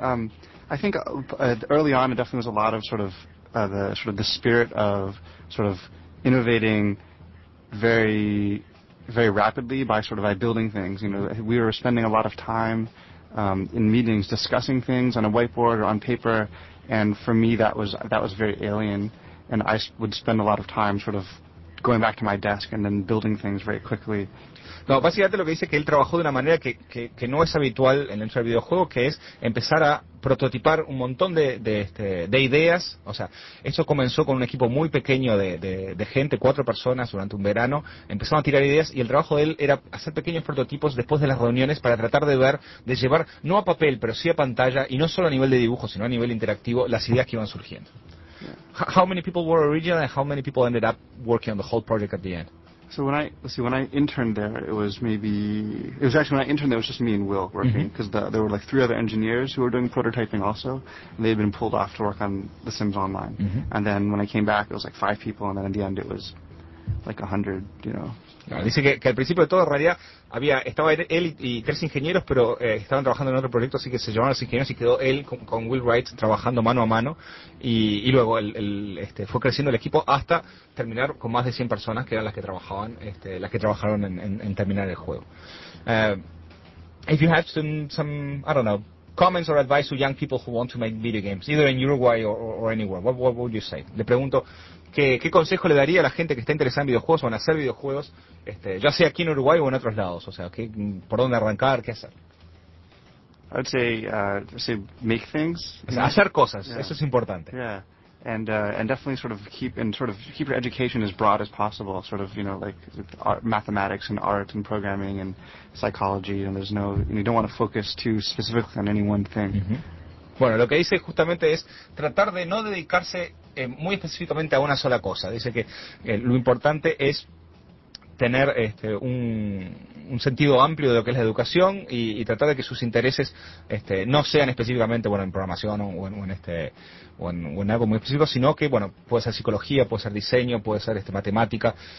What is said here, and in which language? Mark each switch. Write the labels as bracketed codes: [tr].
[en] I think early on it definitely was a lot of the spirit of sort of innovating very, very rapidly by building things. You know, we were spending a lot of time in meetings discussing things on a whiteboard or on paper, and for me that was very alien, and I would spend a lot of time sort of going back to my desk and then building things very quickly. [es] No, básicamente lo que dice es que él trabajó de una manera que no es habitual en la industria del videojuego, que es empezar a prototipar un montón de ideas. O sea, eso comenzó con un equipo muy pequeño de gente, cuatro personas durante un verano, empezaron a tirar ideas, y el trabajo de él era hacer pequeños prototipos después de las reuniones para tratar de llevar, no a papel, pero sí a pantalla, y no solo a nivel de dibujo, sino a nivel interactivo, las ideas que iban surgiendo. [en] How many people were originally and how many people ended up working on the whole project at the end? So when I interned there, when I interned there, it was just me and Will working, because there were three other engineers who were doing prototyping also, and they had been pulled off to work on The Sims Online. Mm-hmm. And then when I came back, it was five people, and then in the end, it was 100, you know. [es] Claro, dice que al principio de todo, en realidad, estaba él y tres ingenieros, pero estaban trabajando en otro proyecto, así que se llamaron los ingenieros y quedó él con Will Wright trabajando mano a mano. Y luego él fue creciendo el equipo hasta terminar con más de 100 personas, que eran las que trabajaron en terminar el juego. [en] If you have some, I don't know, comments or advice to young people who want to make video games, either in Uruguay or anywhere, what would you say? [es] Le pregunto, ¿Qué consejo le daría a la gente que está interesada en videojuegos o en hacer videojuegos, ya sea aquí en Uruguay o en otros lados? O sea, ¿por dónde arrancar? ¿Qué hacer? [en] I'd say, make things. [es] Hacer cosas, yeah. Eso es importante. [en] Yeah, and definitely keep your education as broad as possible, mathematics and art and programming and psychology, and you don't want to focus too specifically on any one thing. Mm-hmm. [es] Bueno, lo que dice justamente es tratar de no dedicarse muy específicamente a una sola cosa. Dice que lo importante es tener un sentido amplio de lo que es la educación y tratar de que sus intereses no sean específicamente en programación o en algo muy específico, sino que puede ser psicología, puede ser diseño, puede ser matemática.